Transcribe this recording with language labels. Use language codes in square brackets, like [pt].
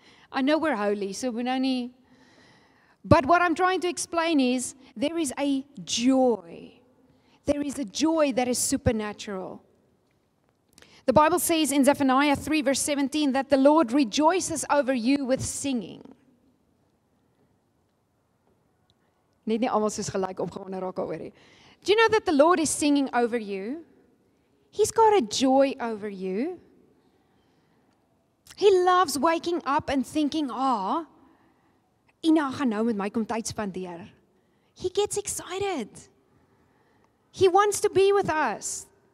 [en] I know we're holy, so we don't need... But what I'm trying to explain is, there is a joy. There is a joy that is supernatural. The Bible says in Zephaniah 3, verse 17, that the Lord rejoices over you with singing. [af] Net nie almal soos gelyk opgewonde raak oor hier. [en] Do you know that the Lord is singing over you? He's got a joy over you. He loves waking up and thinking, ah, Ina [af] gaan nou met my kom tyd spandeer. [en] He gets excited. He wants to be with us.